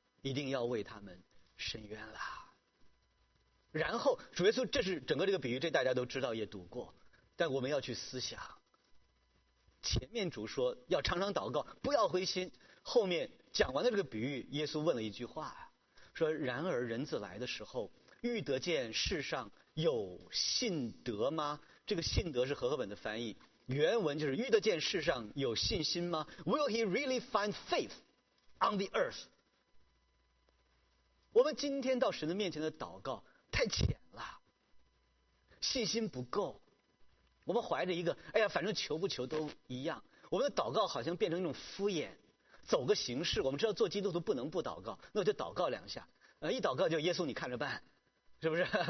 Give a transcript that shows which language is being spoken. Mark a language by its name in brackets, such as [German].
[Chinese] 一定要为他们伸冤啦。然后主耶稣，这是整个这个比喻，这大家都知道也读过，但我们要去思想，前面主说要常常祷告不要灰心，后面讲完的这个比喻，耶稣问了一句话说，然而人子来的时候遇得见世上有信德吗？这个信德是和合本的翻译，原文就是遇得见世上有信心吗？ [English] Will he really find faith on the earth? [Chinese] 我们今天到神的面前的祷告太浅了，信心不够，我们怀着一个哎呀反正求不求都一样，我们的祷告好像变成一种敷衍，走个形式。我们知道做基督徒不能不祷告，那就祷告两下，一祷告就耶稣你看着办，是不是？